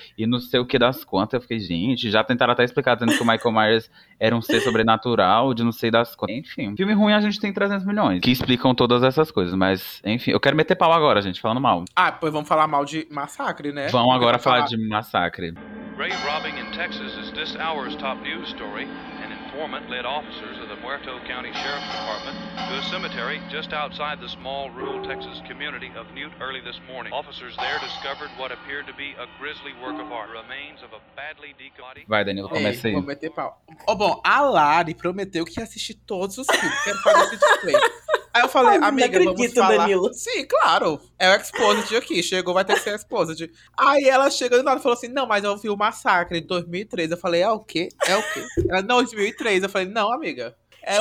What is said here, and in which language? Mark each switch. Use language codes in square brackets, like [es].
[pt] E não sei o que das quantas. Eu fiquei, gente, já tentaram até explicar, dizendo que o Michael Myers era um ser sobrenatural, de não sei das quantas. Enfim, filme ruim a gente tem 300 milhões. Que explicam todas essas coisas, mas enfim, eu quero meter pau agora, gente, falando mal. Ah, pois vamos falar mal de Massacre, né? Vamos agora falar de Massacre. [en] Ray robbing in Texas is this hour's top news story. An informant led officers of the Muerto County Sheriff's Department to a cemetery just outside the small rural Texas community of Newt early this morning. Officers there discovered what appeared to be a grisly work of art. Remains of a badly decomposed. [pt] Vai, Danilo, começa aí. Vou meter pau. Oh, bom, a Lari prometeu que ia assistir todos os filmes. Quero fazer esse display. Aí eu falei, amiga, não acredito, vamos falar. Danilo. Sim, claro. É o Exposed aqui. Chegou, vai ter que ser Exposed. Aí ela chega do nada e falou assim, não, mas eu vi o Massacre de 2003. Eu falei, é o quê? É o quê? Ela, não, 2003. Eu falei, não, amiga. É,